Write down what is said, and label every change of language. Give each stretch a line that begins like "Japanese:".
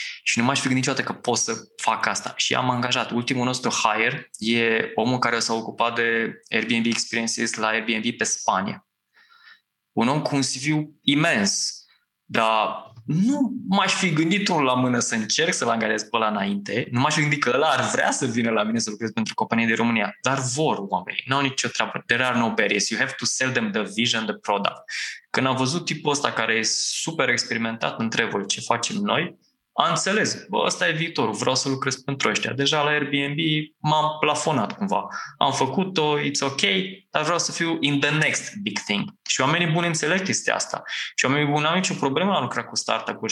Romanian: Și nu m-aș fi gândit niciodată că pot să fac asta. Și am angajat. Ultimul nostru hire e omul care s-a ocupat de Airbnb Experiences la Airbnb pe Spania. Un om cu un CV imens, dar nu m-aș fi gândit unul la mână să încerc să-l angajez pe ăla înainte. Nu m-aș fi gândit că ăla ar vrea să vină la mine să lucrez pentru companie de România. Dar vor oamenii. N-au nicio treabă.
English: There are no barriers. You have to sell them the vision, the product.
Romanian: Când am văzut tipul ăsta care e super experimentat în travel ce facem noi, am înțeles. Bă, ăsta e viitorul. Vreau să lucrez pentru ăștia. Deja la Airbnb m-am plafonat cumva. Am făcut-o,
English: it's ok,
Romanian: dar vreau să fiu
English: in the next big thing.
Romanian: Și oamenii buni înțeleg chestia asta. Și oamenii buni n-au nicio problemă la lucra cu startup-uri.